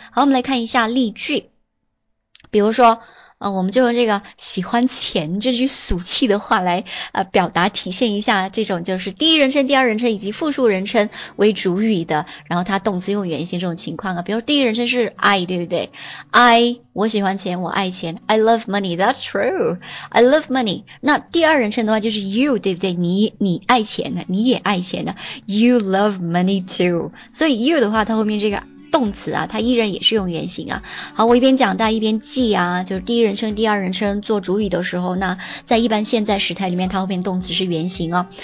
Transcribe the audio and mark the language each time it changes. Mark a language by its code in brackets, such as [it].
[zh] 好，我们来看一下例句。比如说我们就用这个喜欢钱这句俗气的话来表达体现一下这种就是第一人称第二人称以及复数人称为主语的，然后它动词用原形这种情况啊。比如第一人称是 I， 对不对？ [en] I， [zh] 我喜欢钱，我爱钱， [en] I love money， that's true， I love money。 [zh] 那第二人称的话就是 you， 对不对？你爱钱的，你也爱钱的， [en] you love money too。 [zh] 所以 you 的话它后面这个动词啊，它依然也是用原形啊。好，我一边讲大家一边记啊，就是第一人称第二人称做主语的时候，那在一般现在时态里面它后面动词是原形啊。